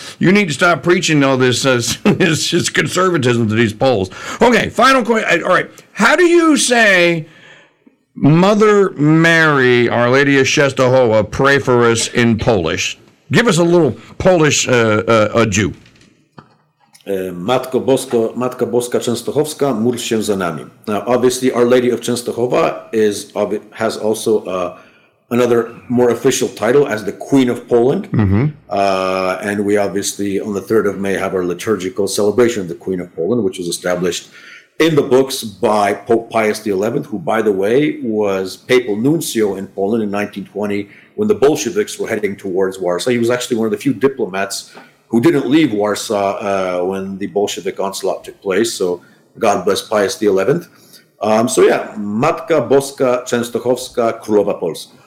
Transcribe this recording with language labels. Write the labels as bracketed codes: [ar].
[en] You need to stop preaching all this this conservatism to these Poles. Okay, final question. All right, how do you say Mother Mary, Our Lady of Częstochowa, pray for us in Polish? Give us a little Polish adieu. [pl] Matko Boska Częstochowska, módl się za nami. [en] Now, obviously, Our Lady of Częstochowa has also another more official title as the Queen of Poland. Mm-hmm. And we obviously, on the 3rd of May, have our liturgical celebration of the Queen of Poland, which was established in the books by Pope Pius XI, who, by the way, was papal nuncio in Poland in 1920, when the Bolsheviks were heading towards Warsaw. He was actually one of the few diplomats who didn't leave Warsaw when the Bolshevik onslaught took place. So God bless Pius XI. So yeah, [pl] Matka Boska Częstochowska, Królowa Polska.